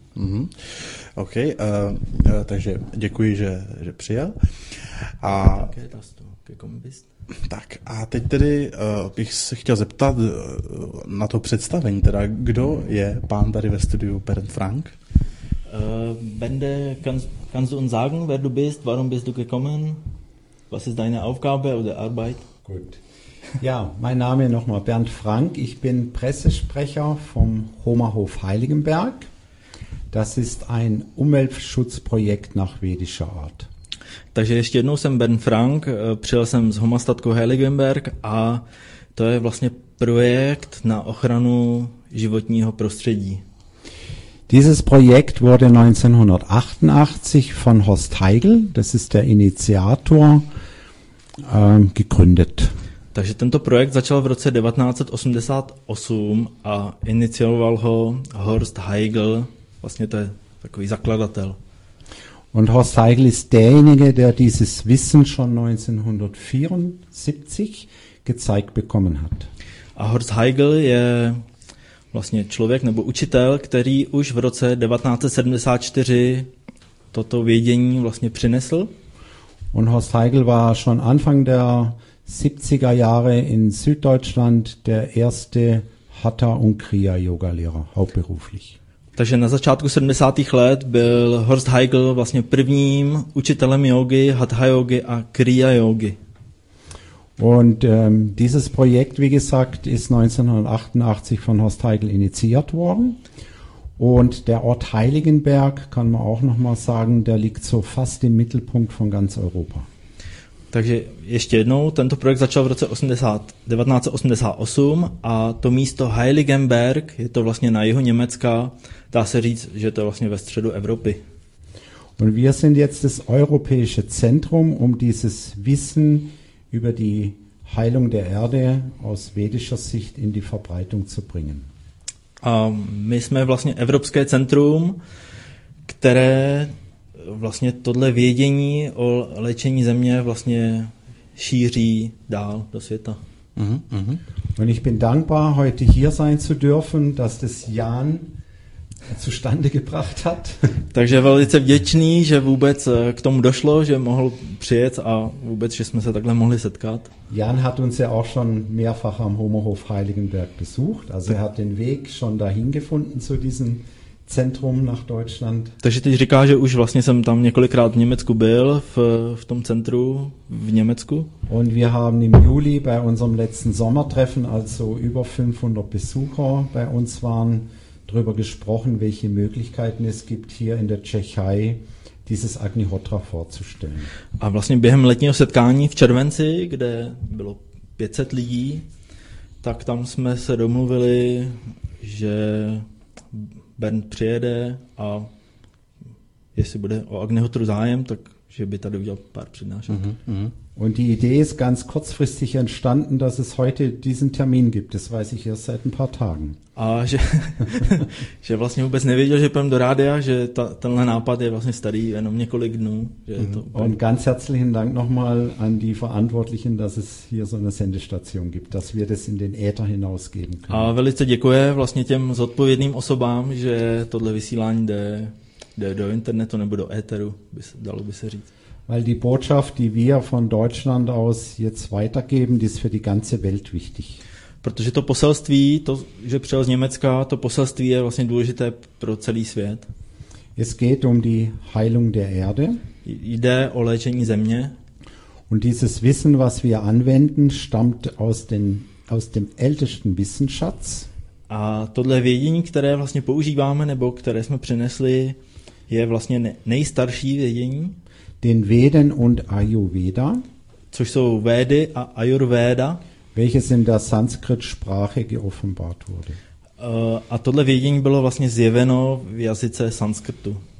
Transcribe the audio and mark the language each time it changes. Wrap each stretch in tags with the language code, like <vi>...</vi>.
<cs>Mm-hmm. Ok, takže děkuji, že přijel. A také je to, ke kombist. Tak a teď tedy bych se chtěl zeptat na to představení, teda kdo je pán tady ve studiu Bernd Frank?</cs> <de>Bende, kannst du uns sagen, wer du bist, warum bist du gekommen, was ist deine Aufgabe oder Arbeit? Gut. Ja, mein Name nochmal Bernd Frank, ich bin Pressesprecher vom Homerhof Heiligenberg. Das ist ein Umweltschutzprojekt nach vedischer Art.</de> <cs>Takže ještě jednou, jsem Bernd Frank, přijel jsem z Homa statku Heiligenberg a to je vlastně projekt na ochranu životního prostředí.</cs> <de>Dieses Projekt wurde 1988 von Horst Heigl, das ist der Initiator, gegründet.</de> <cs>Takže tento projekt začal v roce 1988 a inicioval ho Horst Heigl, vlastně to je takový zakladatel.</cs> <de>Und Horst Heigl ist derjenige, der dieses Wissen schon 1974 gezeigt bekommen hat.</de> <cs>A Horst Heigl je vlastně člověk nebo učitel, který už v roce 1974 toto vědění vlastně přinesl.</cs> <de>Und Horst Heigl war schon Anfang der 70er Jahre in Süddeutschland der erste Hatha und Kriya Yoga Lehrer hauptberuflich.</de> <cs>Takže na začátku 70. let byl Horst Heigl vlastně prvním učitelem jogy, Hatha jogy a Kriya jogy.</cs> <de>Und dieses Projekt, wie gesagt, ist 1988 von Horst Heigl initiiert worden. Und der Ort Heiligenberg, kann man auch noch mal sagen, der liegt so fast im Mittelpunkt von ganz Europa.</de> <cs>Takže ještě jednou, tento projekt začal v roce 1988 a to místo Heiligenberg, je to vlastně na jihu Německa, dá se říct, že to je vlastně ve středu Evropy.</cs> <de>Und wir sind jetzt das europäische Zentrum, um dieses Wissen über die Heilung der Erde aus vedischer Sicht in die Verbreitung zu bringen.</de> <cs>A my jsme vlastně evropské centrum, které vlastně tohle vědění o léčení země vlastně šíří dál do světa.</cs> <de>Und ich bin dankbar, heute hier sein zu dürfen, dass das Jan zustande gebracht hat.</de> <cs>Takže velice vděčný, že vůbec k tomu došlo, že mohl přijet a vůbec, že jsme se takhle mohli setkat.</cs> <de>Jan hat uns ja auch schon mehrfach am Homerhof Heiligenberg besucht, also er hat den Weg schon dahin gefunden zu diesem Zentrum nach Deutschland.</de> <cs>Takže teď říká, že už vlastně jsem tam několikrát v Německu byl, v tom centru v Německu.</cs> <de>Und wir haben im Juli bei unserem letzten Sommertreffen, also über 500 Besucher bei uns waren, drüber gesprochen, welche Möglichkeiten es gibt hier in der Tschechei dieses Agnihotra vorzustellen.</de> <cs>A vlastně během letního setkání v červenci, kde bylo 500 lidí, tak tam jsme se domluvili, že Bernd přijede a jestli bude o Agnihotru zájem, tak že by tady udělal pár přednášek.</cs> <de>Und die Idee ist ganz kurzfristig entstanden, dass es heute diesen Termin gibt. Das weiß ich erst seit ein paar Tagen.</de> <cs>A že vlastně vůbec nevěděl, že půjdem do rádia, že tenhle nápad je vlastně starý jenom několik dnů. Že</cs> <de>to Und ganz herzlichen Dank nochmal an die Verantwortlichen, dass es hier so eine Sendestation gibt, dass wir das in den Äther hinausgeben können.</de> <cs>A velice děkuji vlastně těm zodpovědným osobám, že tohle vysílání jde do internetu nebo do éteru, dalo by se říct.</cs> <de>Weil die Botschaft, die wir von Deutschland aus jetzt weitergeben, die ist für die ganze Welt wichtig.</de> <cs>Protože to poselství, to, že přijel z Německa, to poselství je vlastně důležité pro celý svět.</cs> <de>Es geht um die Heilung der Erde.</de> <cs>Jde o léčení země.</cs> <de>Und dieses Wissen, was wir anwenden, stammt aus dem ältesten Wissenschatz.</de> <cs>A tohle vědění, které vlastně používáme nebo které jsme přinesli, je vlastně nejstarší vědění.</cs> <de>Den Veden und Ayurveda,</de> <cs>což jsou Védy a Ayurveda,</cs> <de>welches in der Sanskrit-Sprache geoffenbart wurde.</de> <cs>A tohle vědění bylo vlastně zjeveno v jazyce sanskritu.</cs>